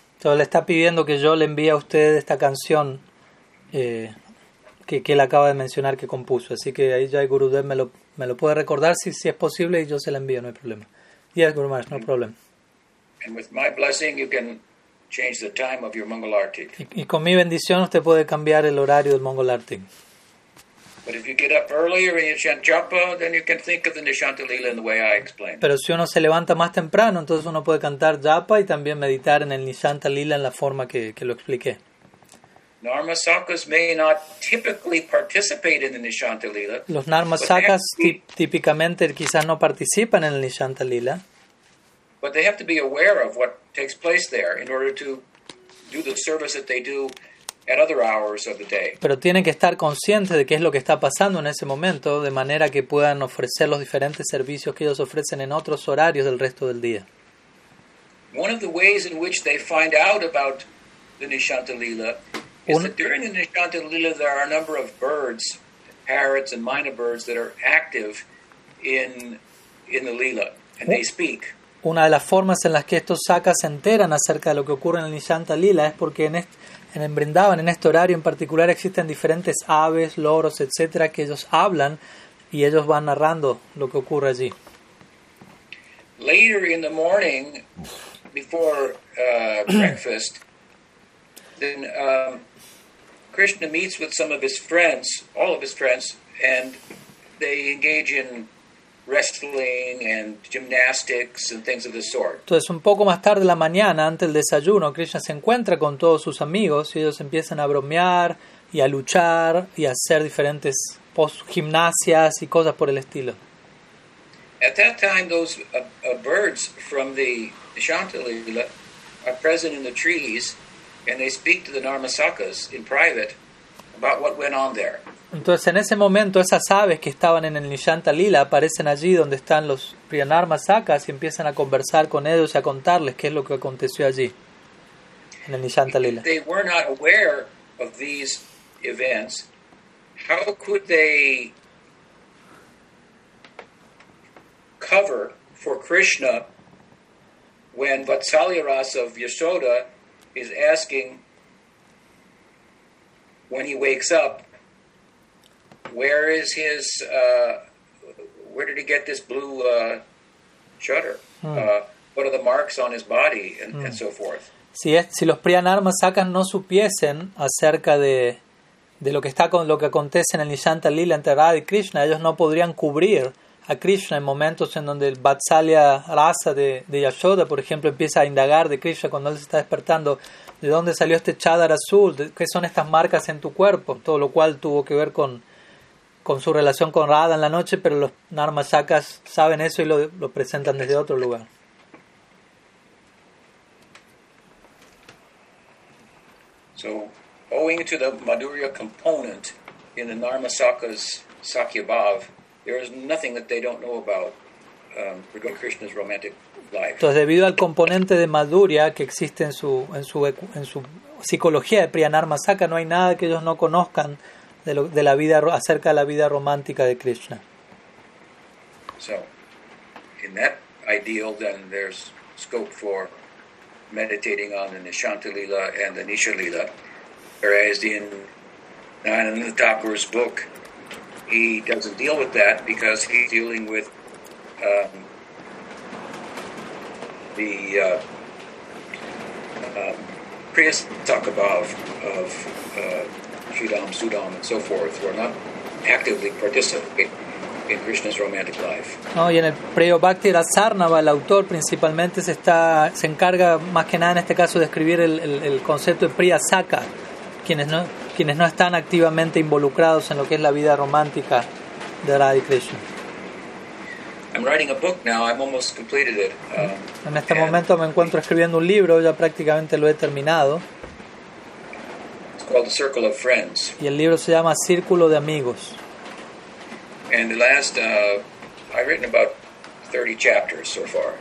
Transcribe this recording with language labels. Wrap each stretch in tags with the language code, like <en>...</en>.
<es>So le está pidiendo que yo le envíe a usted esta canción que él acaba de mencionar que compuso. Así que ahí ya el Gurudev me lo puede recordar si es posible y yo se la envío, no hay problema.</es> <en>Yes, Guru Maharaj, no problem. And with my blessing, you can change the time of your Mongol Arctic.</en> <es>Y con mi bendición usted puede cambiar el horario del Mongol Arctic.</es> <en>But if you get up earlier in Nishant Japa, then you can think of the Nishant Lila in the way I explained.</en> <es>Pero si uno se levanta más temprano, entonces uno puede cantar Japa y también meditar en el Nishant Lila en la forma que lo expliqué.</es> <en>Narmasakas may not typically participate in the Nishant Lila.</en> <es>Los Narmasakas típicamente quizás no participan en el Nishant Lila.</es> <en>But they have to be aware of what takes place there in order to do the service that they do at other hours of the day.</en> <es>Pero tienen que estar conscientes de qué es lo que está pasando en ese momento, de manera que puedan ofrecer los diferentes servicios que ellos ofrecen en otros horarios del resto del día.</es> <en>One of the ways in which they find out about the Nishant Lila is that during the Nishant Lila there are a number of birds, parrots and minor birds that are active in the Lila and they speak.</en> <es>Una de las formas en las que estos sakas se enteran acerca de lo que ocurre en el Nishant Lila es porque en Brindavan, en este horario en particular, existen diferentes aves, loros, etcétera, que ellos hablan y ellos van narrando lo que ocurre allí.</es> <en>Later in the morning, before breakfast, then Krishna meets with some of his friends, all of his friends, and they engage in wrestling and gymnastics and things of this sort.</en> <es>Entonces un poco más tarde en la mañana, antes del desayuno, Krishna se encuentra con todos sus amigos y ellos empiezan a bromear y a luchar y a hacer diferentes gimnasias y cosas por el estilo.</es> <en>At that time, those birds from the Nishant Lila are present in the trees and they speak to the Narmasakas in private about what went on there.</en> <es>Entonces, en ese momento, esas aves que estaban en el Nishant Lila aparecen allí donde están los Priyanarmasakas y empiezan a conversar con ellos y a contarles qué es lo que aconteció allí, en el Nishant Lila.</es> <en>If they were not aware of these events, how could they cover for Krishna when Vatsalya Rasa of Yashoda is asking when he wakes up, where is his? Where did he get this blue shutter? What are the marks on his body, and so forth?</en> <es>Si los Priyanarmasakas no supiesen acerca de lo que está con lo que acontece en el Nishant Lila entre Radha y Krishna, ellos no podrían cubrir a Krishna en momentos en donde el Vatsalya Rasa de Yashoda, por ejemplo, empieza a indagar de Krishna cuando él se está despertando. ¿De dónde salió este chadar azul? ¿Qué son estas marcas en tu cuerpo? Todo lo cual tuvo que ver con su relación con Radha en la noche, pero los Narmasakas saben eso y lo presentan desde otro lugar.</es> <en>So, owing to the Madhurya component in the Narmasakas Sakyabhav, there is nothing that they don't know about Krishna's romantic life.</en> <es>Entonces, debido al componente de madhurya que existe en su psicología de Priyanarma Saka, no hay nada que ellos no conozcan acerca de la vida romántica de Krishna.</es> <en>So, in that ideal, then there's scope for meditating on the Nishanta Lila and the Nisha Lila, whereas in Nayananda Thakur's book, he doesn't deal with that because he's dealing with Priyas talk of Sridham, Sudham, and so forth, who are not actively participating in Krishna's romantic life.</en> <es>No, y en el Preo Bhakti Rasarnava, el autor principalmente se encarga más que nada en este caso de escribir el concepto de Priya Saka, quienes no están activamente involucrados en lo que es la vida romántica de Radha Krishna.</es> <en>I'm writing a book now. I've almost completed it.</en> <es>En este momento me encuentro escribiendo un libro, ya prácticamente lo he terminado.</es> <en>It's called The Circle of Friends.</en> <es>Y el libro se llama Círculo de Amigos.</es> <en>And the last, I've written about 30 chapters so far.</en>